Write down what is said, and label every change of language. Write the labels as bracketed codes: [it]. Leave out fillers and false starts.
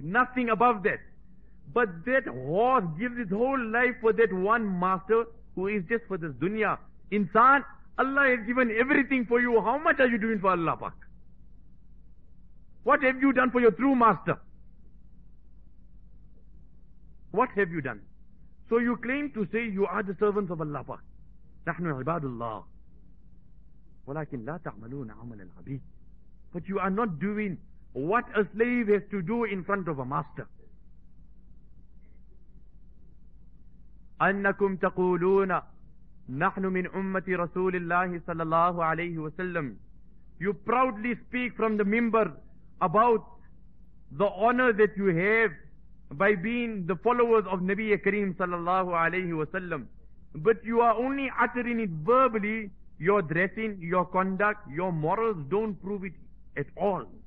[en] Nothing above that. But that horse gives its whole life for that one master who is just for this dunya. Insan, Allah has given everything for you. How much are you doing for Allah Pak? What have you done for your true master? What have you done? So you claim to say you are the servants of Allah Pak. [ar] نحن عباد الله ولكن لا تعملون عمل العبيد. [en] But you are not doing what a slave has to do in front of a master. [ar] أنكم تقولون نحن من أمة رسول الله صلى الله عليه وسلم. [en] You proudly speak from the minbar about the honor that you have by being the followers of Nabi Kareem صلى الله عليه وسلم. but you are only uttering it verbally, your dressing, your conduct, your morals don't prove it at all.